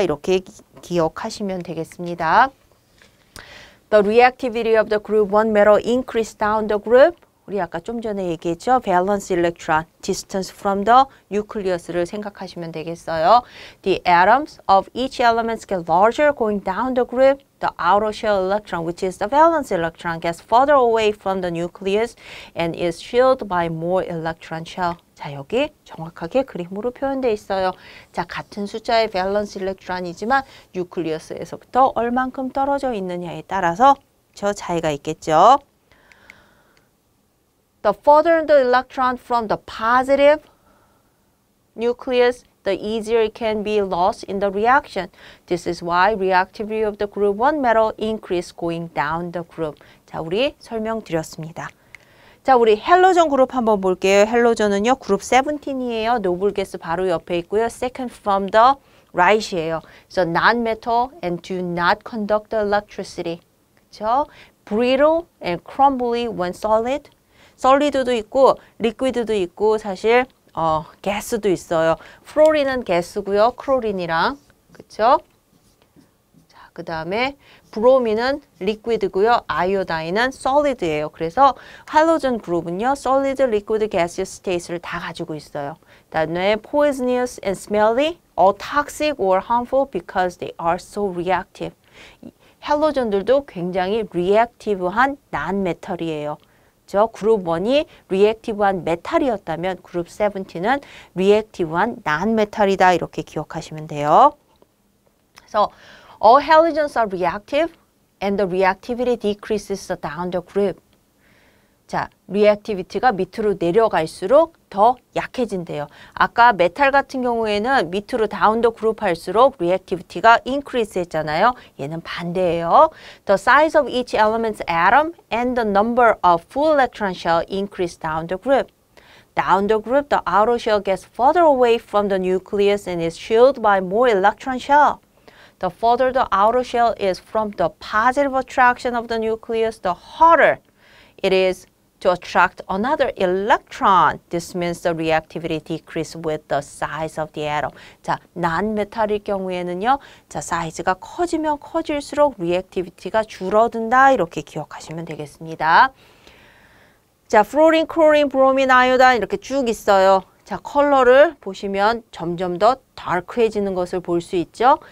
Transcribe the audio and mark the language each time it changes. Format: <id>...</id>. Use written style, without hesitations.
<ko>이렇게 기억하시면 되겠습니다.</ko> <en>The reactivity of the group 1 metal increase down the group.</en> <ko>우리 아까 좀 전에 얘기했죠.</ko> <en>Valence electron, distance from the nucleus를</en> <ko>생각하시면 되겠어요.</ko> <en>The atoms of each element get larger going down the group. The outer shell electron, which is the valence electron, gets further away from the nucleus and is shielded by more electron shell.</en> <ko>자, 여기 정확하게 그림으로 표현되어 있어요. 자, 같은 숫자의 valence electron이지만 nucleus에서부터 얼만큼 떨어져 있느냐에 따라서 저 차이가 있겠죠.</ko> <en>The further the electron from the positive nucleus, the easier it can be lost in the reaction. This is why reactivity of the group 1 metal increase going down the group.</en> <ko>자, 우리 설명드렸습니다. 자, 우리 헬로전 그룹 한번 볼게요. 헬로전은요, 그룹 17이에요. 노블 게스 바로 옆에 있고요.</ko> <en>Second from the right이에요. So, non-metal and do not conduct the electricity.</en> <ko>그쵸?</ko> <en>Brittle and crumbly when solid.</en> <ko>솔리드도 있고 리퀴드도 있고 사실 가스도 있어요. 플로린은 가스고요. 크로린이랑 그렇죠? 그 다음에 브로미는 리퀴드고요. 아이오다인은 솔리드예요. 그래서 할로젠 그룹은요. 솔리드, 리퀴드, 가세어스 스테이트를 다 가지고 있어요. 그다음에</ko> <en>poisonous and smelly or toxic or harmful because they are so reactive.</en> <ko>할로젠들도 굉장히 리액티브한 난메탈이에요. 저 그룹 1이 리액티브한 메탈이었다면 그룹 17은 리액티브한 난메탈이다 이렇게 기억하시면 돼요.</ko> <en>So all halogens are reactive and the reactivity decreases down the group.</en> <ko>자, 리액티비티가 밑으로 내려갈수록 더 약해진대요. 아까 메탈 같은 경우에는 밑으로 다운 더 그룹 할수록 리액티비티가 increase 했잖아요. 얘는 반대예요.</ko> <en>The size of each element's atom and the number of full electron shell increase down the group. Down the group, the outer shell gets further away from the nucleus and is shielded by more electron shell. The further the outer shell is from the positive attraction of the nucleus, the harder it is to attract another electron. This means the reactivity decreases with the size of the atom.</en> <ko>자, 난메탈일 경우에는요. 자, 사이즈가 커지면 커질수록 reactivity가 줄어든다. 이렇게 기억하시면 되겠습니다. 자, fluorine, chlorine, bromine, iodine 이렇게 쭉 있어요. 자, 컬러를 보시면 점점 더 다크해지는 것을 볼 수 있죠.</ko>